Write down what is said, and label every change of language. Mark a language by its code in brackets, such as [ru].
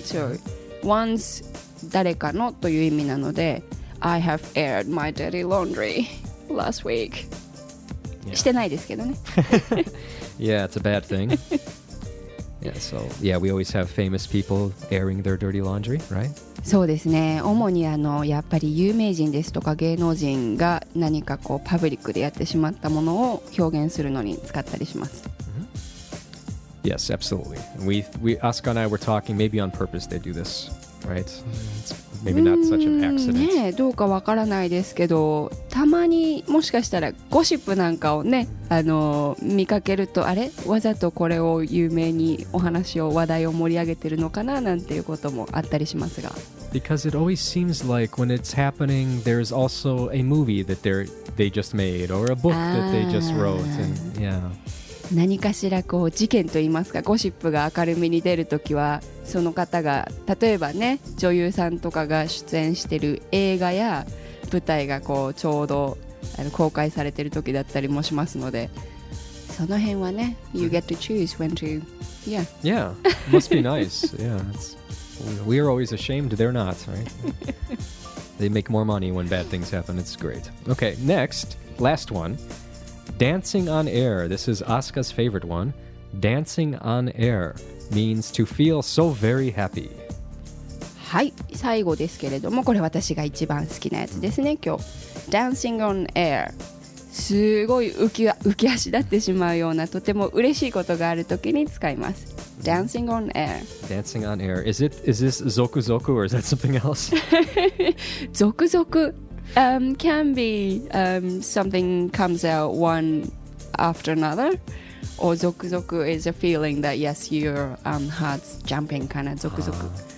[en] So, one's [ja] 誰かのという意味なので、 [en] I have aired my dirty laundry last week. Yeah. [ja] してないですけどね。 [en] Yeah, it's a bad thing. Yeah, so yeah, we always have famous people airing their dirty laundry, right? [ja] そうですね。主にやっぱり有名人ですとか芸能人が何かこうパブリックでやってしまったものを表現するのに使ったりします。 [en] Mm-hmm. Yes, absolutely. We Asuka and I were talking. Maybe on purpose they do this. Right? Maybe not such an accident. [ja] ねえ、どうかわからないですけど、たまにもしかしたらゴシップなんかをね、見かけると、あれ、わざとこれを有名にお話を話題を盛り上げてるのかななんていうこともあったりしますが。 [en] Because it always seems like when it's happening, there's also a movie that they just made or a book that they just wrote, and yeah. [ja] 何かしらこう事件といいますかゴシップが明るみに出るときはその方が例えばね女優さんとかが出演してる映画や舞台がこうちょうど公開されてるときだったりもしますのでその辺はね [en] You get to choose when to Yeah Yeah, must be nice Yeah, we're always ashamed they're not, right? They make more money when bad things happen, it's great Okay, next, last oneDancing on air. This is Asuka's favorite one. Dancing on air means to feel so very happy. [ja] はい、最後ですけれども、これ私が一番好きなやつですね、今日。 [en] Dancing on air。 [ja] すごい浮き足立ってしまうようなとても嬉しいことがあるときに使います。 [en] Dancing on air。 Dancing on air。 Is this zoku zoku or is that something else? Zoku zoku can be something comes out one after another。 Or zoku zoku is a feeling that yes, your heart's jumping, kind of zoku zoku.